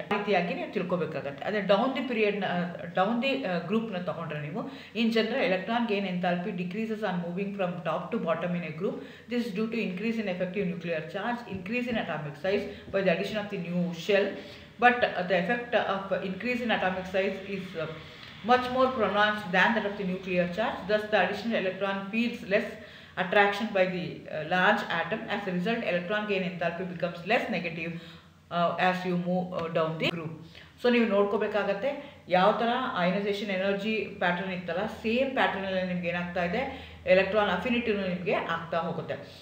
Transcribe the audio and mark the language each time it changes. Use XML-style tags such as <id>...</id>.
<kn>ಆ ರೀತಿಯಾಗಿ ನೀವು ತಿಳ್ಕೊಬೇಕಾಗತ್ತೆ.</kn> <en>ಅದೇ down the ಪೀರಿಯಡ್ನ down the ಗ್ರೂಪ್ನ</en> <kn>ತೊಗೊಂಡ್ರೆ ನೀವು</kn> <en>In general electron gain enthalpy decreases on moving from top to bottom in a group, this due to increase in effective nuclear charge, increase in atomic size by the addition of the new shell, but the effect of increase in atomic size is much more pronounced than that of the nuclear charge. Thus the additional electron feels less attraction by the large atom. As a result, electron gain enthalpy becomes less negative as you move down the group.</en> <kn>So ನೀವು ನೋಡ್ಕೋಬೇಕಾಗತ್ತೆ ಯಾವ ಥರ ionisation energy pattern ಇತ್ತಲ್ಲ, same ಪ್ಯಾಟರ್ನಲ್ಲಿ ನಿಮ್ಗೆ ಏನಾಗ್ತಾ ಇದೆ, electron ಅಫಿನಿಟಿನೂ ನಿಮಗೆ ಆಗ್ತಾ ಹೋಗುತ್ತೆ.</kn>